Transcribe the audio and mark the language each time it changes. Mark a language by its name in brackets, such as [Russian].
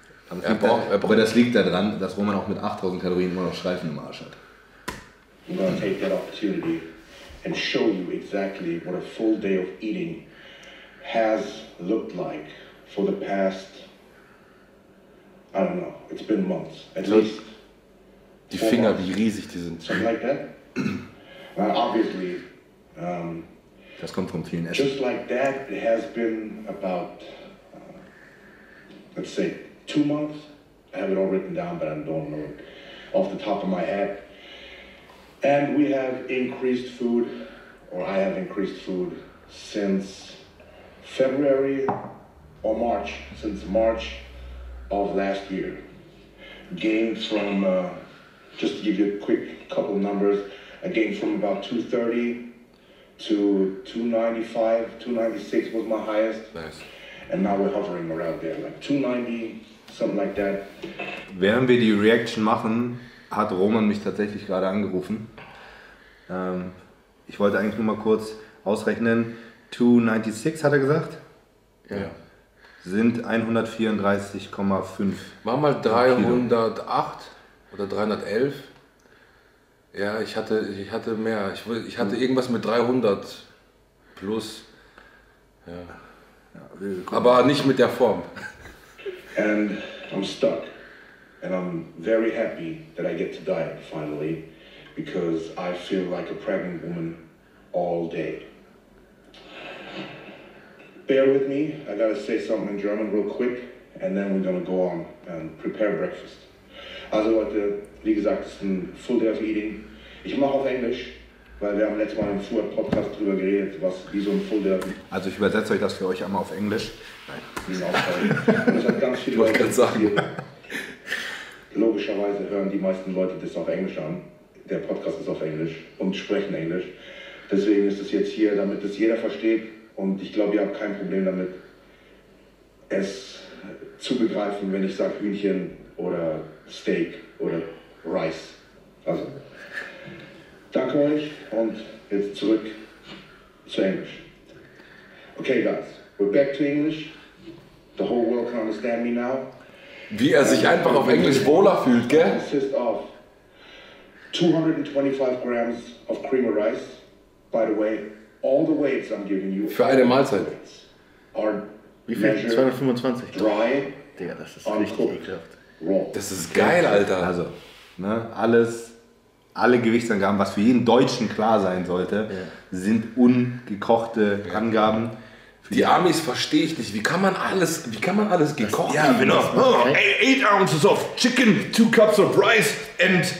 [German] Aber das liegt daran, dass Roman auch mit 8000 Kalorien immer noch Streifen im Arsch hat. [English] I'm gonna take that opportunity and show you exactly what a full day of eating has looked like for the past, I don't know, it's been months, at least. [German] Die Finger, wie riesig die sind. [English] Something like that? Obviously, [German] das kommt vom vielen Essen. [English] Just like that, it has been about, let's say, 2 months. I have it all written down, but I don't know it off the top of my head. And we have increased food, or I have increased food since February or March, since March of last year. Gained from... just to give you a quick couple of numbers, I gained from about 230 to 295, 296 was my highest. Nice. And now we're hovering around there, like 290, something like that. [German] Während wir die Reaction machen, hat Roman mich tatsächlich gerade angerufen. Ich wollte eigentlich nur mal kurz ausrechnen. 296 hat er gesagt. Ja. Sind 134,5. Mach mal 308. Kilo. Oder 311. Ja, ich hatte mehr. Ich hatte irgendwas mit 300 plus. Ja. Aber nicht mit der Form. [English] And I'm stuck. And I'm very happy that I get to diet finally. because I feel like a pregnant woman all day. Bear with me, I gotta say something in German real quick, and then we're gonna go on and prepare breakfast. [German] Also Leute, wie gesagt, es ist ein Full Day of Eating. Ich mache auf Englisch, weil wir haben letztes Mal im Fuhr-Podcast drüber geredet, was wie so ein Full Day of Eating. Also ich übersetze euch das für euch einmal auf Englisch. Nein. Das hat ganz viele Leute gesagt. Logischerweise hören die meisten Leute das auf Englisch an. Der Podcast ist auf Englisch und sprechen Englisch. Deswegen ist es jetzt hier, damit das jeder versteht. Und ich glaube, ihr habt kein Problem damit, es zu begreifen, wenn ich sage Hühnchen oder Steak oder Rice. Also, danke euch und jetzt zurück zu Englisch. [English] Okay, guys, we're back to English. The whole world can understand me now. [German] Wie er sich einfach auf Englisch wohler fühlt, gell? [English] Consists of 225 grams of cream of rice, by the way. All the weights I'm giving you [German] für eine Mahlzeit. Wie viel? 225. [English] Dry. [German] Digga, das ist richtig ekelhaft. Das ist geil, Alter. Also, ne, alle Gewichtsangaben, was für jeden Deutschen klar sein sollte, ja, sind ungekochte Angaben. Die Amis verstehe ich nicht. Wie kann man alles gekocht? Ja, genau. [English] Oh, 8 ounces of chicken, 2 cups of rice and